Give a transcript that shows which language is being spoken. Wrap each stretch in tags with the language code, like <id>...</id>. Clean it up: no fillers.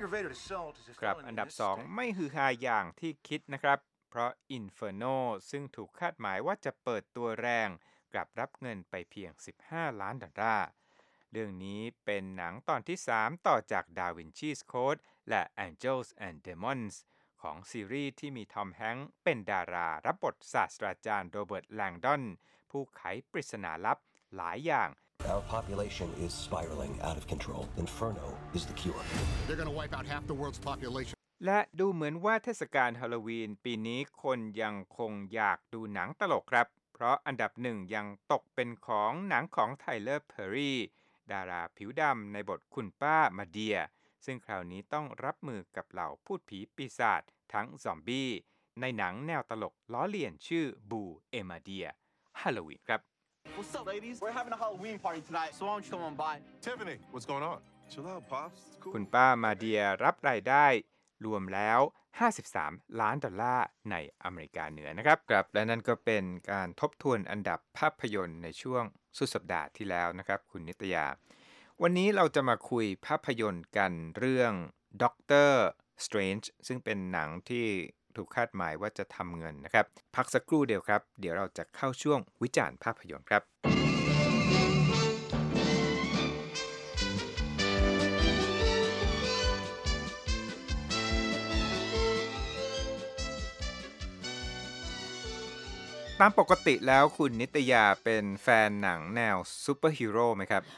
<en>aggravated assault is</en> <th>ครับอันดับ2ไม่ฮือฮาอย่างที่คิดนะครับเพราะ Inferno ซึ่งถูกคาดหมายว่าจะเปิดตัวแรงกลับรับเงินไปเพียง15ล้านดอลลาร์เรื่องนี้เป็นหนังตอนที่3ต่อจาก Da Vinci's Code และ Angels and Demons ของซีรีส์ที่มีทอมแฮงค์เป็นดารารับบทศาสตราจารย์โรเบิร์ตแลงดอนผู้ไขปริศนาลับหลายอย่าง</th> <en>Our population is spiraling out of control. Inferno is the cure. They're going to wipe out half the world's population.</en> <th>และดูเหมือนว่าเทศกาลฮาโลวีนปีนี้คนยังคงอยากดูหนังตลกครับเพราะอันดับหนึ่งยังตกเป็นของหนังของไทเลอร์เพอร์รี่ดาราผิวดำในบทคุณป้ามาเดียซึ่งคราวนี้ต้องรับมือกับเหล่าพูดผีปีศาจทั้งซอมบี้ในหนังแนวตลกล้อเลียนชื่อบูเอมาเดียฮาโลวีนครับ</th> <en>What's up, ladies? We're having a Halloween party tonight, so why don't you come on by? Tiffany, what's going on? Chill out, pops. It's cool.</en> <th>คุณป้ามาเดียรับรายได้รวมแล้ว53ล้านดอลลาร์ในอเมริกาเหนือนะครับครับและนั่นก็เป็นการทบทวนอันดับภาพยนตร์ในช่วงสุดสัปดาห์ที่แล้วนะครับคุณนิตยา วันนี้เราจะมาคุยภาพยนตร์กันเรื่อง Doctor Strange ซึ่งเป็นหนังที่ถูกคาดหมายว่าจะทำเงินนะครับพักสักครู่เดียวครับเดี๋ยวเราจะเข้าช่วงวิจารณ์ภาพยนตร์ครับตามปกติแล้วคุณนิตยาเป็นแฟนหนังแนวซูเปอร์ฮีโร่ไหมครับ</th>